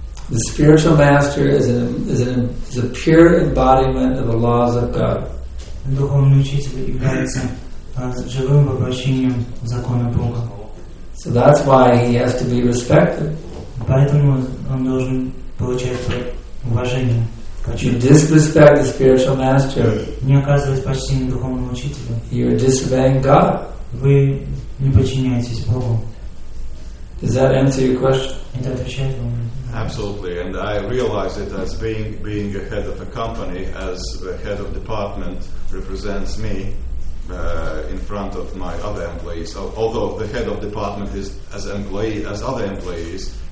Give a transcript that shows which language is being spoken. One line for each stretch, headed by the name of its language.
English: The spiritual master is a pure embodiment of the laws of God.
Russian: Духовный учитель является живым воплощением закона Бога.
English: So that's why he has to be respected.
Russian: Поэтому он должен получать уважение.
English: You disrespect the spiritual master.
Russian: Не оказывать почтения духовному учителю.
English: You're disobeying God.
Russian: Вы не подчиняетесь Богу.
English: Does that answer your question?
Russian: Это отвечает вам?
English: Absolutely, and I realize it as being a head of a company, as the head of department represents me. In front of my other employees, although the head of department is as employee as other employees,